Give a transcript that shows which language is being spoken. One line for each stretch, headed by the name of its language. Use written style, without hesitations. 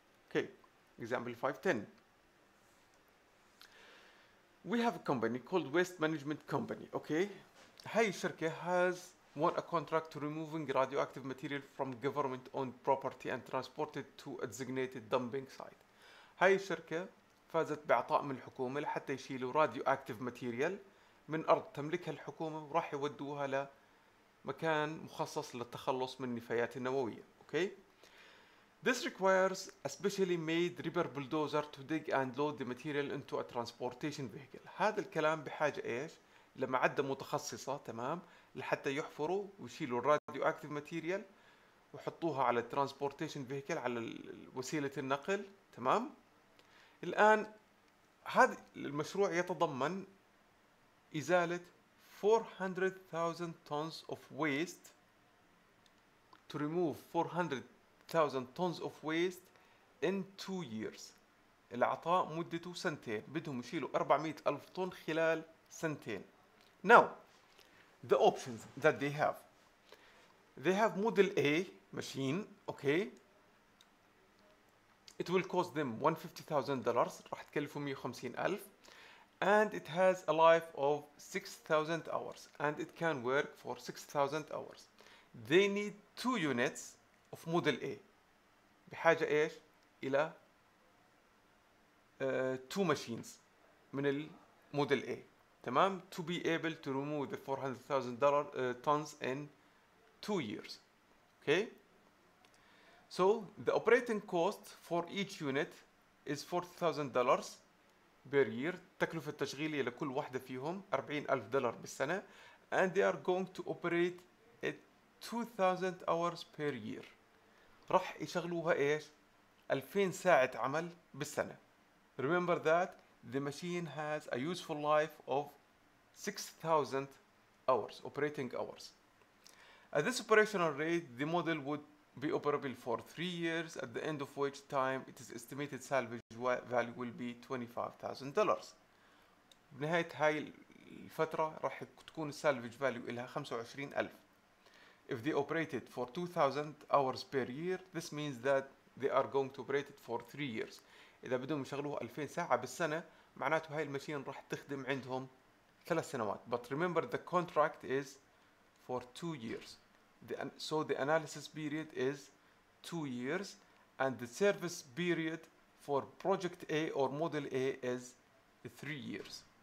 English: Okay, example 510. We have a company called Waste Management Company. Okay,
Arabic: هاي الشركة
English: has won a contract to removing radioactive material from government-owned property and transport it to a designated dumping site.
Arabic: هاي الشركة فازت بعطاء من الحكومة لحتى يشيلوا
English: radioactive material
Arabic: من أرض تملكها الحكومة وراح يودوها ل مكان مخصص للتخلص من النفايات النووية.
English: Okay. This requires a specially made river bulldozer to dig and load the material into a transportation vehicle.
Arabic: هذا الكلام بحاجة إيش؟ لمعدة متخصصة تمام؟ لحتى يحفروا ويشيلوا الراديو أكتيف ماتيريال وحطوها على الترانسبورتيشن فيهيكل على وسيلة النقل تمام؟ الآن هذا المشروع يتضمن إزالة
English: 400,000 tons of waste to remove 400,000 tons of waste in 2 years.
Arabic: العطاء مدته سنتين، بدهم يشيلوا 400,000 طن خلال سنتين.
English: Now the options that they have. They have model A machine, okay. It will cost them $150,000.
Arabic: راح تكلفوا 150,000.
English: And it has a life of 6,000 hours. And it can work for 6,000 hours. They need 2 units of model A.
Arabic: بحاجة إيش؟ إلى 2 machines من model A.
English: تمام؟ To be able to remove the 400,000 tons in 2 years. Okay. So the operating cost for each unit is $40,000 per year.
Arabic: تكلفة التشغيلية لكل واحدة فيهم $40,000 بالسنة.
English: And they are going to operate at 2,000 hours per year.
Arabic: رح يشغلوها إيش؟ 2,000 ساعة عمل بالسنة.
English: Remember that the machine has a useful life of 6,000 hours operating hours. At this operational rate, the model would be operable for 3 years, at the end of which time it is estimated salvage value will be $25,000.
Arabic: بنهاية هاي الفترة راح تكون السالفج فاليو إلها 25,000.
English: If they operated for 2,000 hours per year, this means that they are going to operate it for 3 years.
Arabic: إذا بدهم يشغلوها 2000 ساعة بالسنة معناته هاي المشين راح تخدم عندهم 3 سنوات.
English: But remember the contract is for 2 years. So the analysis period is 2 years, and the service period for Project A or Model A is 3 years.